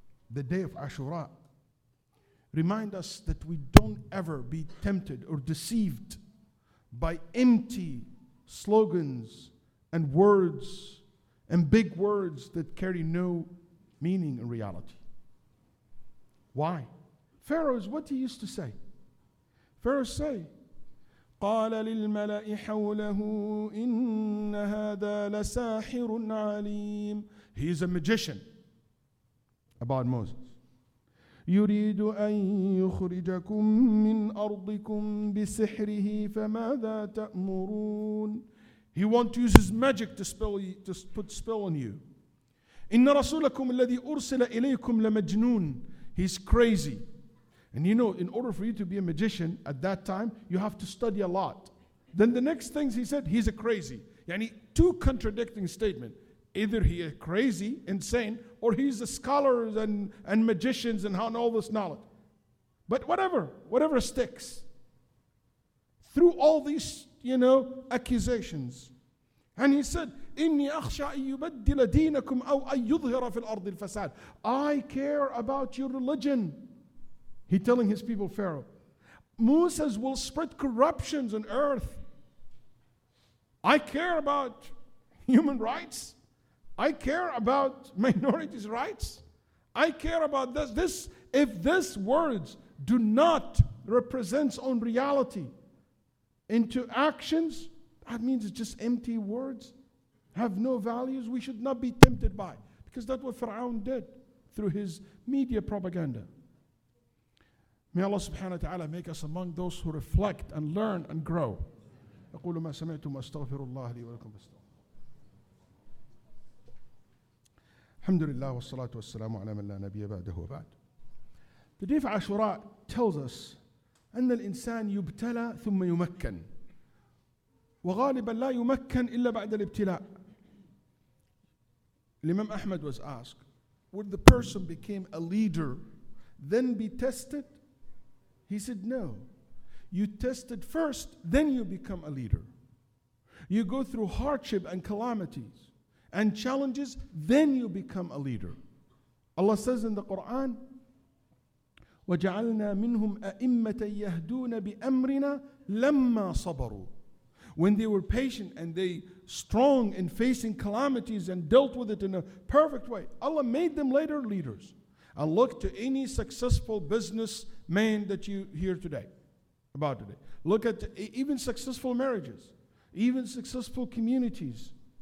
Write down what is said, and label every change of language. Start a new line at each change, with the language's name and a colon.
English: The day of Ashura remind us that we don't ever be tempted or deceived by empty slogans and words and big words that carry no meaning in reality. Why? Pharaoh, what he used to say? Pharaoh say,
Arabic: قَالَ لِلْمَلَإِ حَوْلَهُ إِنَّ هَذَا لَسَاحِرٌ عَلِيمٌ.
English: He is a magician about Moses.
Arabic: يُرِيدُ أَن يُخْرِجَكُم مِّنْ أَرْضِكُمْ بِسِحْرِهِ فَمَاذَا تَأْمُرُونَ.
English: He wants to use his magic to put spell on you.
Arabic: إِنَّ رَسُولَكُمْ الَّذِي أُرْسِلَ إِلَيْكُمْ لَمَجْنُونَ.
English: He's crazy. And you know, in order for you to be a magician at that time, you have to study a lot. Then the next things he said, he's a crazy. Yani, two contradicting statements. Either he is crazy, insane, or he's a scholar and magicians and all this knowledge. But whatever sticks. Through all these, you know, accusations. And he said,
Arabic: إِنِّي أَخْشَىٰ أَن يُبَدِّلَ دِينَكُمْ أَوْ أَن يُظْهِرَ فِي الْأَرْضِ الْفَسَادِ.
English: I care about your religion. He's telling his people, Pharaoh, Moses will spread corruptions on earth. I care about human rights. I care about minorities' rights. I care about this. If these words do not represent on reality into actions, that means it's just empty words, have no values, we should not be tempted by. Because that's what Pharaoh did through his media propaganda. May Allah subhanahu wa ta'ala make us among those who reflect and learn and grow.
Arabic: أَقُولُ مَا سَمِعْتُمْ أَسْتَغْفِرُ اللَّهَ لِي وَلَكُمْ أَسْتَغْفِرُ. الحمد لله والصلاة والسلام على من لا نبي بعده وبعد.
English: The Dif Ashura tells us
Arabic: أن الإنسان يبتلى ثم يمكن وغالبا لا يمكن إلا بعد الابتلاء.
English: الإمام أحمد was asked, would the person became a leader then be tested? He said, no. You tested first, then you become a leader. You go through hardship and calamities and challenges, then you become a leader. Allah says in the Quran,
Arabic: وَجَعَلْنَا مِنْهُمْ أَئِمَّةً يَهْدُونَ بِأَمْرِنَا لَمَّا صَبَرُوا.
English: When they were patient and they strong in facing calamities and dealt with it in a perfect way, Allah made them later leaders. And look to any successful businessman that you hear today about today. Look at even successful marriages, even successful communities.